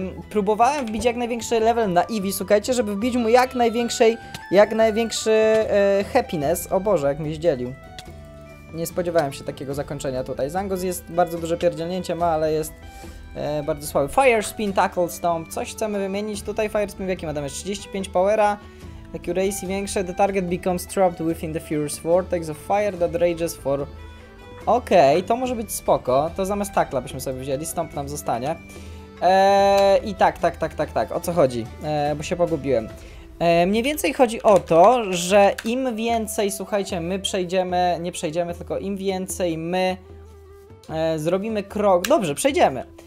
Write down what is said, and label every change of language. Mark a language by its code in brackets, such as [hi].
[pl] Próbowałem wbić jak największy level na Eevee, słuchajcie, żeby wbić mu jak największy happiness. O Boże, jak mnie zdzielił. Nie spodziewałem się takiego zakończenia tutaj. Zangus jest bardzo duże pierdzielnięcie ma, ale jest bardzo słaby. Fire Spin, Tackle Stomp, coś chcemy wymienić tutaj. Fire Spin, w jakim damage? 35 powera. Accuracy większe. [en] The target becomes trapped within the fierce vortex of fire that rages for... [pl] Okej, to może być spoko. To zamiast tackla byśmy sobie wzięli, stomp nam zostanie. I tak, o co chodzi, bo się pogubiłem. Mniej więcej chodzi o to, że im więcej, słuchajcie, my przejdziemy, nie przejdziemy, tylko im więcej my zrobimy krok, dobrze, przejdziemy.